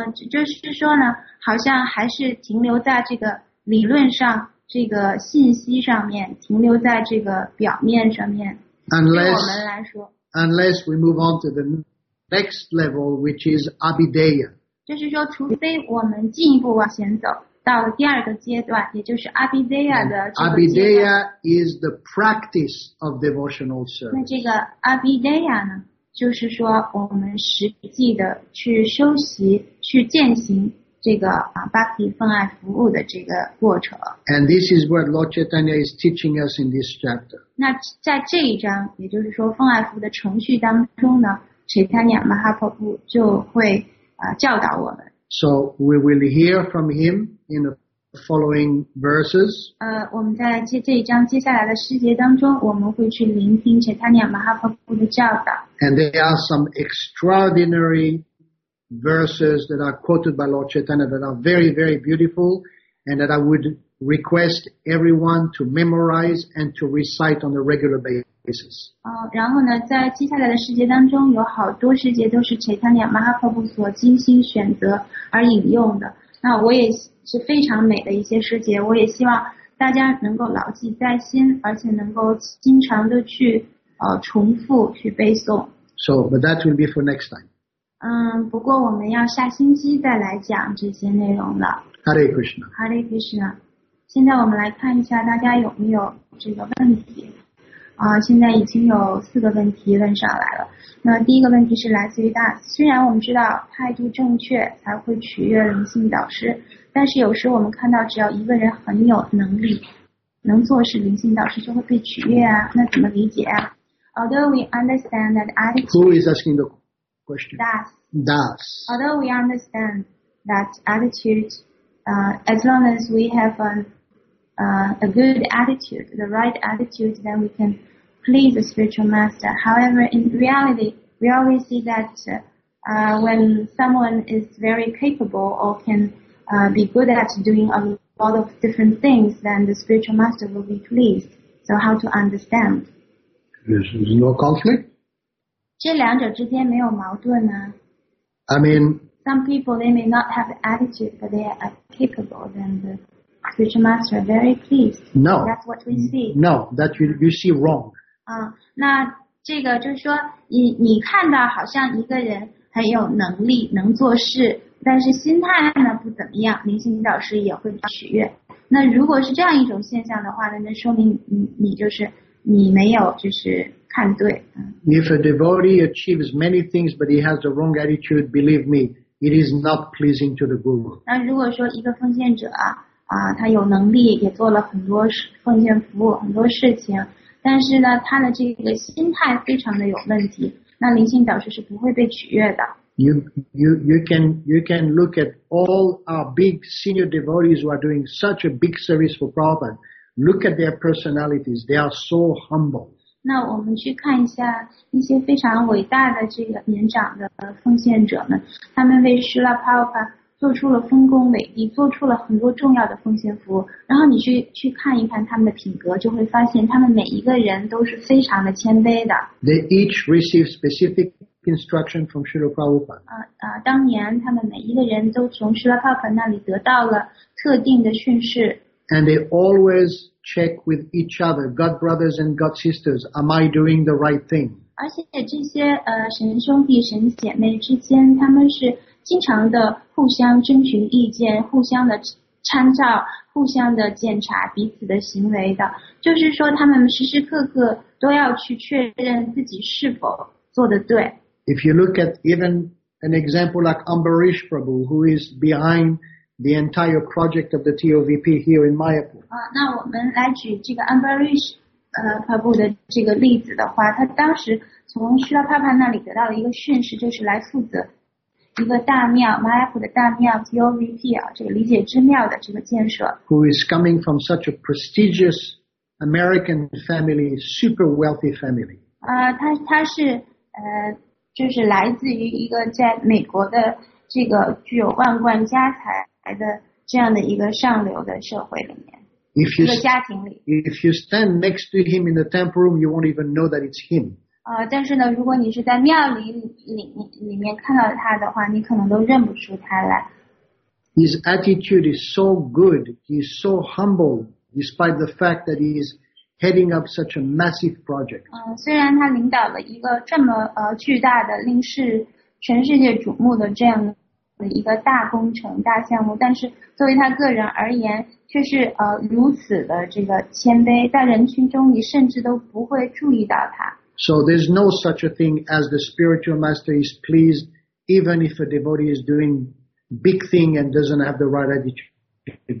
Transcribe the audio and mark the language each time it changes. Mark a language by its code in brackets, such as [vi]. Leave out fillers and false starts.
[zh] 就是说呢，好像还是停留在这个理论上，这个信息上面，停留在这个表面上面。 [en] Unless, [zh] 对我们来说 [en] ，unless we move on to the next level, which is Abhideya. [zh] 就是说，除非我们进一步往前走，到了第二个阶段，也就是 Abhideya 的这个阶段。 [en] Abhideya is the practice of devotional service. [zh] 那这个 Abhideya 呢？就是说我们实际的去修习去践行这个bhakti 奉爱服务的这个过程。 [en] And this is what Lord Chaitanya is teaching us in this chapter. [zh] 那在这一章也就是说奉爱服务的程序当中呢 Chaitanya Mahaprabhu 就会教导我们。 [en] So we will hear from him in the following verses. [zh] 我们在这一章接下来的诗节当中我们会去聆听 Chaitanya Mahaprabhu 的教导。 [en] And there are some extraordinary verses that are quoted by Lord Chaitanya that are very, very beautiful and that I would request everyone to memorize and to recite on a regular basis. [zh] 然后呢在接下来的诗节当中有好多诗节都是 Chaitanya Mahaprabhu 所精心选择而引用的。那我也是非常美的一些时节，我也希望大家能够牢记在心，而且能够经常的去重复去背诵。 [en] So, but that will be for next time. [zh] 不过我们要下星期再来讲这些内容了。 [en] Hare Krishna. Hare Krishna. [zh] 现在我们来看一下大家有没有这个问题。现在已经有四个问题问上来了。那第一个问题是来自于大，虽然我们知道态度正确才会取悦灵性导师，但是有时我们看到只要一个人很有能力，能做事，灵性导师就会被取悦啊，那怎么理解啊？ [en] Although we understand that attitude. Who is asking the question? Das. Das. Although we understand that attitude, as long as we have a good attitude, the right attitude, then we can please the spiritual master. However, in reality, we always see that when someone is very capable or can be good at doing a lot of different things, then the spiritual master will be pleased. So how to understand? There's no conflict? [zh] 这两者之间没有矛盾啊。 [en] I mean, some people, they may not have the attitude, but they are capable, then the spiritual master are very pleased. No. That's what we see. No, that you see wrong. [zh] 那这个就是说 你看到好像一个人很有能力能做事，但是心态呢不怎么样，灵性导师也会取悦。那如果是这样一种现象的话呢，那说明 你就是你没有就是看对。 [en] If a devotee achieves many things but he has the wrong attitude, believe me, it is not pleasing to the guru. [zh] 那如果说一个奉献者他有能力也做了很多奉献服务很多事情，但是呢他的这个心态非常的有问题，那灵性导师是不会被取悦的。 [en] You can look at all our big senior devotees who are doing such a big service for Prabhupada. Look at their personalities. They are so humble. [zh] 那我们去看一下一些非常伟大的这个年长的奉献者们，他们为师了 Prabhupada 做出了丰功伟绩，做出了很多重要的奉献服务。然后你去看一看他们的品格，就会发现他们每一个人都是非常的谦卑的。 [en] They each receive specific. Instruction from Srila Prabhupada. [zh] 当年他们每一个人都从 Srila Prabhupada 那里得到了特定的训示。 [en] And they always check with each other, God brothers and God sisters, am I doing the right thing? [zh] 而且这些神兄弟神姐妹之间，他们是经常的互相征询意见，互相的参照，互相的检查彼此的行为的。就是说，他们时时刻刻都要去确认自己是否做得对。 [en] If you look at even an example like Ambarish Prabhu, who is behind the entire project of the TOVP here in Mayapur. [zh] 那我们来举这个 Ambarish Prabhu 的这个例子的话，他当时从 Srila Prabhupada 那里得到了一个训示，就是来负责一个大庙 Mayapur 的大庙 TOVP 这个理解之庙的这个建设。 [en] Who is coming from such a prestigious American family, super wealthy family. [zh] 他是就是来自于一个在美国的这个具有万贯家财的这样的一个上流的社会里面，一个家庭里。 [en] If you stand next to him in the temple room, you won't even know that it's him. [zh] 但是呢，如果你是在庙里面看到他的话，你可能都认不出他来。 [en] His attitude is so good. He's so humble, despite the fact that he is. Heading up such a massive project. [zh] 虽然他领导了一个这么巨大的令世全世界瞩目的这样的一个大工程大项目，但是作为他个人而言却是如此的这个谦卑，在人群中你甚至都不会注意到他。 [en] So there's no such a thing as the spiritual master is pleased even if a devotee is doing big thing and doesn't have the right attitude.